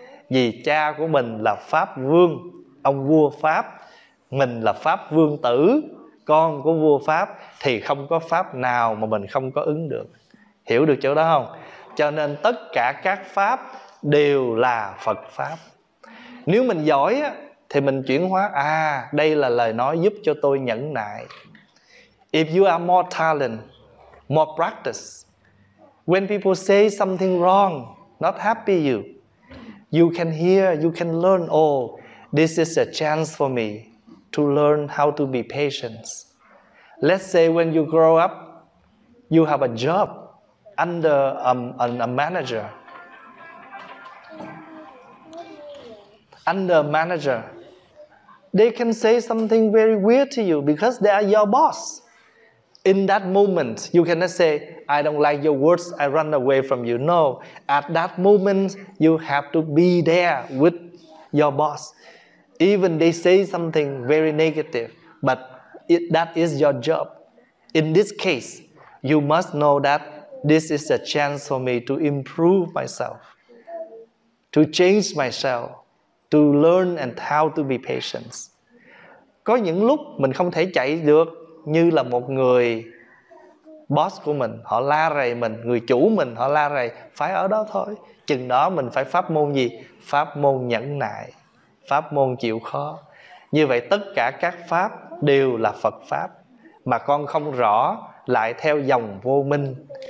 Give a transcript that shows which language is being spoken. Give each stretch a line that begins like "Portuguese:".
Vietnamese: Vì cha của mình là Pháp Vương, ông vua Pháp, mình là Pháp Vương tử, con của vua Pháp, thì không có pháp nào mà mình không có ứng được. Hiểu được chỗ đó không? Cho nên tất cả các pháp đều là Phật pháp. Nếu mình giỏi á, thì mình chuyển hóa, à đây là lời nói giúp cho tôi nhẫn nại.
English: If you are more talent, more practice, when people say something wrong, not happy you, you can hear, you can learn, oh, this is a chance for me to learn how to be patient. Let's say when you grow up, you have a job under a manager. Under a manager, they can say something very weird to you because they are your boss. In that moment, you cannot say, I don't like your words, I run away from you. No, at that moment, you have to be there with your boss. Even they say something very negative, but it, that is your job. In this case, you must know that this is a chance for me to improve myself, to change myself, to learn and how to be patient.
Vietnamese: Có những lúc mình không thể chạy được, như là một người boss của mình, họ la rầy mình, người chủ mình họ la rầy, phải ở đó thôi. Chừng đó mình phải pháp môn gì? Pháp môn nhẫn nại, pháp môn chịu khó. Như vậy tất cả các pháp đều là Phật pháp, mà con không rõ lại theo dòng vô minh.